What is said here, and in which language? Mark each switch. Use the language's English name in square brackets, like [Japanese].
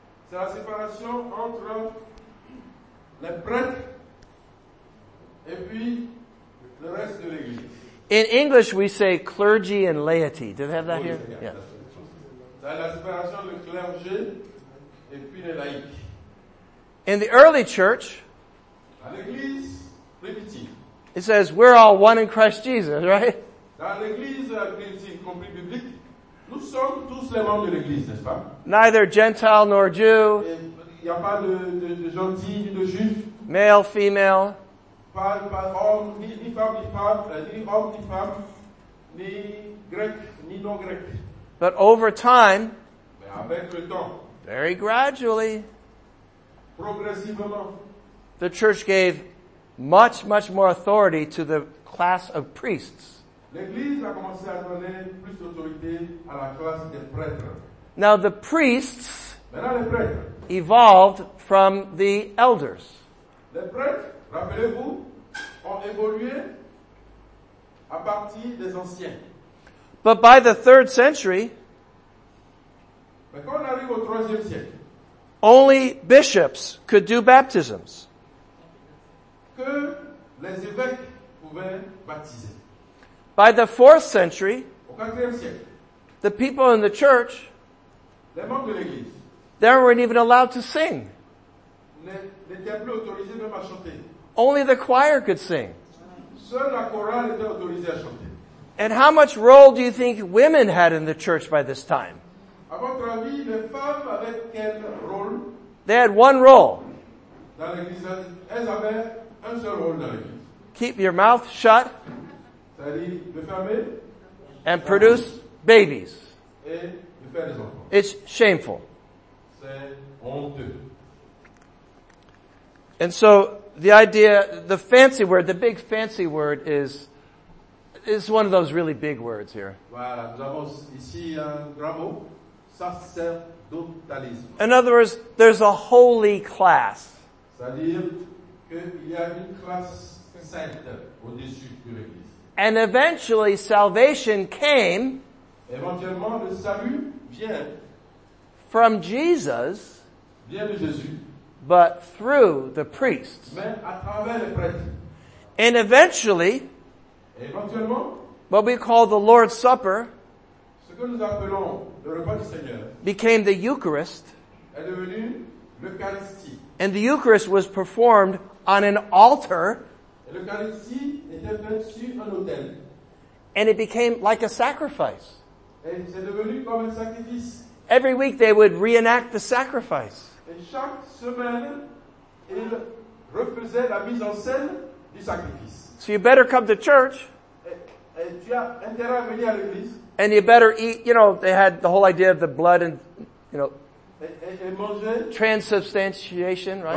[French] C'est la séparation entre les prêtres et puis le reste de l'église. [English] In English, we say clergy and laity. Do they have that here? Yeah. [French] La séparation du clergé et puis les laïcs. [English] In the early church, [French] à l'église primitive, [English] it says we're all one in Christ Jesus, right? [French] Dans l'église primitive, compris biblique, nous sommes tous les membres de l'église, n'est-ce pas? [English] Neither Gentile nor Jew. [French] Il y a pas de gentil ni de juif. [English] Male, female. [French] Pas homme ni femme, ni grec ni non grec. [English] But over time, [French] avec le temps, [English] very gradually, [French] progressivement, [English] the church gave much, much more authority to the class of priests. [French] L'église a commencé à donner plus d'autorité à la classe des prêtres. [English] Now the priests [French] maintenant, les prêtres, [English] evolved from the elders. [French] Les prêtres, rappelez-vous, ont évolué à partir des anciens. [English] But by the third century, [French] quand on arrive au troisième siècle, [English] only bishops could do baptisms. [French] Que les évêques pouvaient baptiser. [English] By the fourth century, [French] au quatrième siècle, [English] the people in the church, [French] les membres de l'église, [English] they weren't even allowed to sing. [French] N'étaient plus autorisés même à chanter. [English] Only the choir could sing. [French] Seule la chorale était autorisée à chanter. [English] And how much role do you think women had in the church by this time? [French] À votre avis, les femmes avaient quel rôle? [English] They had one role. [French] Dans l'église, elles avaient un seul rôle dans l'église. [English] Keep your mouth shut. [French] C'est-à-dire de fermer. [English] And produce babies. [French] Et de faire des enfants. [English] It's shameful. [French] C'est honteux. [English] And so the idea, the fancy word, the big fancy word is... It's one of those really big words here. [French] Voilà, nous avons ici un grand mot, sacerdotalisme. [English] In other words, there's a holy class. [French] C'est-à-dire qu'il y a une classe sainte au-dessus de l'Église. [English] And eventually salvation came. [French] Éventuellement, le salut vient. [English] From Jesus. [French] Vient de Jésus. [English] But through the priests. [French] Mais à travers les prêtres. [English] And eventually. What we call the Lord's Supper, [French] ce que nous appelons le repas du Seigneur, [English] became the Eucharist, [French] est devenu l'Eucharistie. [English] And the Eucharist was performed on an altar, [French] et l'Eucharistie était fait sur un autel, [English] and it became like a sacrifice. [French] Et c'est devenu comme un sacrifice. [English] Every week they would reenact the sacrifice. [French] Et chaque semaine, ils refaisaient la mise en scène du sacrifice. [English] So you better come to church. And you better eat, you know, they had the whole idea of the blood and, you know, transubstantiation, right?